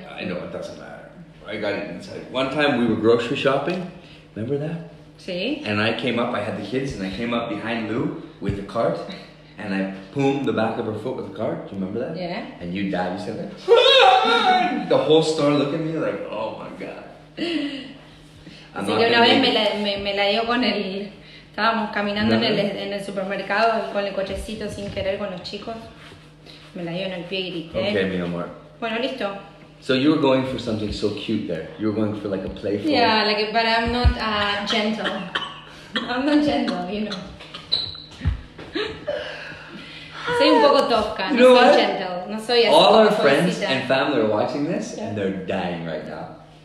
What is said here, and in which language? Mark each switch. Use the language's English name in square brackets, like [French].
[English] I know, it doesn't matter. I got it inside. One time we were grocery shopping. Remember that? [Spanish] Sí. [English] And I came up, I had the kids, and I came up behind Lou with the cart. And I boomed the back of her foot with the cart. Do you remember that? Yeah. And you dad, you said that. The whole store looked at me like, oh my god. [Spanish] Sí, yo una vez me la dio con el... Estábamos caminando en el supermercado con el cochecito sin querer con los chicos. Me la dio en el pie y grité. Ok, mi amor. Bueno, listo. [English] So you were going for something so cute there. You were going for like a playful... Yeah, like, but I'm not gentle. I'm not gentle, you know. [Spanish] Soy un poco tosca, no soy gentle. No soy así. [English] All our friends and family are watching this and they're dying right now.